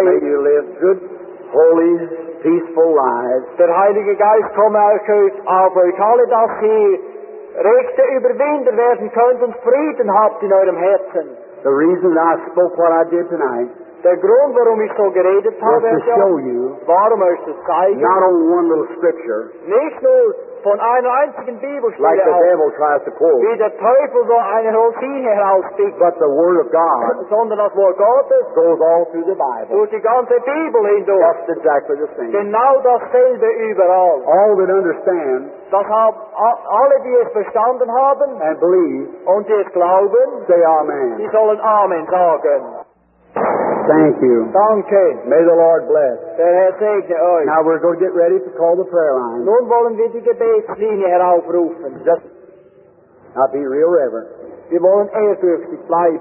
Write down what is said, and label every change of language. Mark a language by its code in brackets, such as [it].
[en] may you live good, holy, peaceful lives. [de] Der Heilige Geist komme auf euch alle, dass ihr rechte Überwinder werden könnt und Frieden habt in eurem Herzen. [en] The reason I spoke what I did tonight. [de] Der Grund, warum ich so geredet habe, [en] was to show you. [de] Warum euch zu zeigen. [en] Not on one little scripture. [de] Nicht nur von einer einzigen Bibelstelle, [en] like the devil tries to quote, [de] wie der Teufel so eine Routine herausspricht, [en] but the Word of God, [de] sondern das Wort Gottes, [en] goes all through the Bible, [de] durch die ganze Bibel hindurch, [en] just exactly the same, [de] genau dasselbe überall. [en] All that understand, [de] dass alle, die es verstanden haben, [en] and believe, [de] und die es glauben, [en] say Amen. [de] Die sollen Amen sagen. [en] Thank you. [de] Danke. [en] May the Lord bless. [de] Der Herr segne euch. [en] Now we're going to get ready to call the prayer line. [de] Nun wollen wir die Gebetslinie heraufrufen. [en] Just now be real reverent. [de] Wir wollen ehrfürchtig bleiben.